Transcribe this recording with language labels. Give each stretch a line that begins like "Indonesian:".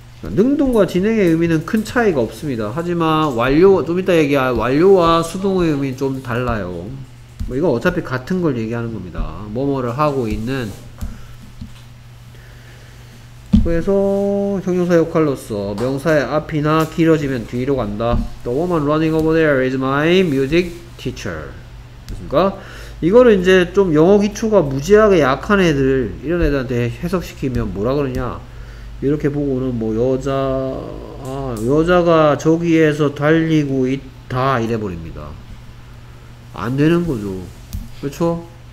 Korean: 능동과 진행의 의미는 큰 차이가 없습니다. 하지만 완료와 좀 이따 얘기할 완료와 수동의 의미는 좀 달라요. 뭐 이거 어차피 같은 걸 얘기하는 겁니다. 뭐뭐를 하고 있는. 그래서 형용사 역할로서 명사의 앞이나 길어지면 뒤로 간다.
English: The woman running over there is my music teacher.
Korean: 그러니까 이거를 이제 좀 영어 기초가 무지하게 약한 애들 이런 애들한테 해석시키면 뭐라 그러냐. 이렇게 보고는 뭐 여자가 저기에서 달리고 있다 이래 버립니다. 안 되는 거죠. 그렇죠?